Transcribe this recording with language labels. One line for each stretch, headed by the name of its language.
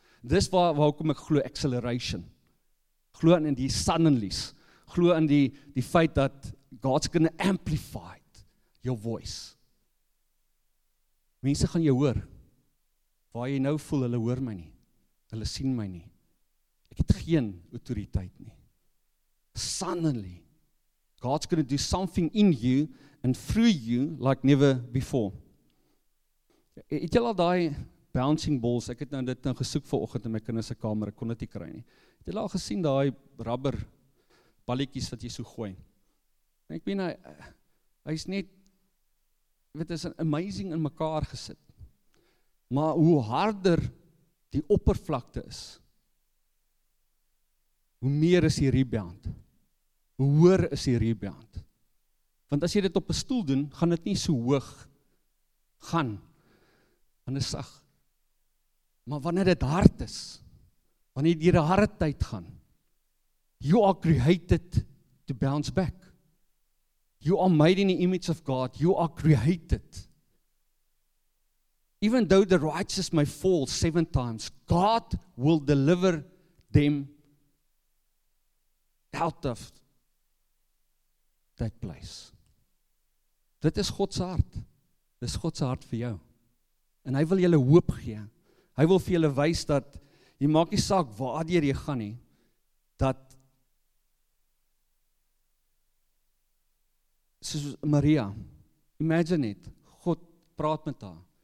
Afrikaans: Dis waar hoekom ek glo acceleration. Glo in die suddenly. Glo in die feit dat
English: God's going to amplify your voice.
Afrikaans: Mense gaan jou hoor. Waar jy nou voel, hulle hoor my nie. Hulle sien my nie. Ek het geen autoriteit nie.
English: Suddenly, God's going to do something in you and through you like never before.
Afrikaans: Het jy al daai bouncing balls? Ek het nou dit nou gesoek vanoggend in my kinders se kamer, ek kon dit nie kry nie. Het jy al gesien daai rubber balletjies wat jy so gooi? Ek weet hy is net, dit is amazing in mekaar gesit. Maar hoe harder die oppervlakte is, hoe meer is die rebound. Hoe hoër is die rebound. Want as jy dit op 'n stoel doen, gaan dit nie so hoog gaan. Dan is sag. Maar wanneer dit hard is, wanneer jy deur 'n harde tyd gaan,
English: you are created to bounce back. You are made in the image of God. You are created. Even though the righteous may fall 7 times, God will deliver them out of that place.
Afrikaans: Dit is God se hart. Dit is God se hart vir jou. En hy wil julle hoop gee. Hy wil vir julle wys dat jy maak nie saak waar jy gaan nie, dat soos Maria,
English: imagine it,
Afrikaans: God praat met haar.